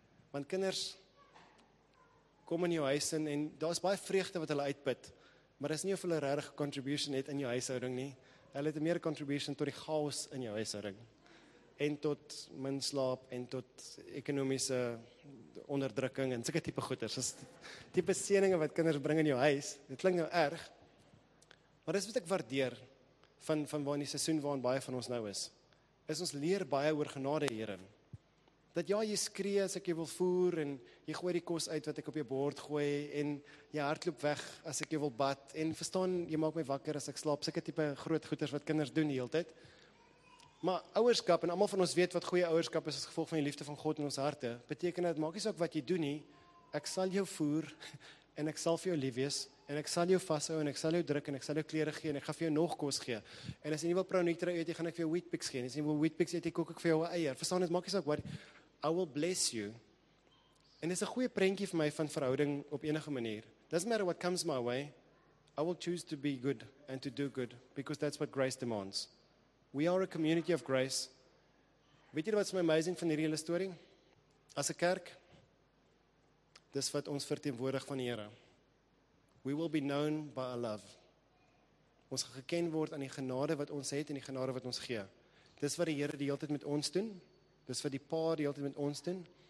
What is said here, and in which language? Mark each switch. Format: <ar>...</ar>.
<af>Want kinders kom in jou huis in en daar is baie vreugde wat hulle uitput, maar dis nie of hulle regtig 'n contribution het in jou huishouding nie. Hulle het 'n meer contribution tot die chaos in jou huishouding. En tot min slaap en tot ekonomiese onderdrukking en sulke tipe goeders. Dis tipe seëninge wat kinders bring in jou huis. Dit klink nou erg. Maar dis wat ek waardeer van waar in die seisoen waarin baie van ons nou is. Is ons leer baie oor genade, Here. Dat ja, jy skree as ek jou wil voer en jy gooi die kos uit wat ek op jou bord gooi en jy hardloop weg as ek jou wil bad en verstaan, jy maak my wakker as ek slaap. Sulke tipe groot goeders wat kinders doen die hele tyd. Maar ouerskap, en almal van ons weet wat goeie ouerskap is as gevolg van die liefde van God in ons harte, beteken dat maak nie saak wat jy doen nie, ek sal jou voer en ek sal vir jou lief wees en ek sal jou vashou en ek sal jou druk en ek sal jou klere gee en ek gaan vir jou nog kos gee. En as jy nie wil pronutra eet, gaan ek vir jou Weet-Bix gee. En as jy nie wil Weet-Bix eet, kook ek vir jou 'n eier. Verstaan dit, maak nie saak wat,</af> <en>I will bless you.</en> <af>En dis 'n goeie prentjie vir my van verhouding op enige manier.</af> <en>Doesn't matter what comes my way, I will choose to be good and to do good because that's what grace demands. We are a community of grace.</en> <af>Weet jy wat is my amazing van hierdie hele storie? As 'n kerk, dis wat ons verteenwoordig van die Here.</af> <en>We will be known by our love.</en> <af>Ons gaan geken word aan die genade wat ons het en die genade wat ons gee. Dis wat die Here die hele tyd met ons doen. Dis wat die Pa die hele tyd met ons doen.</af>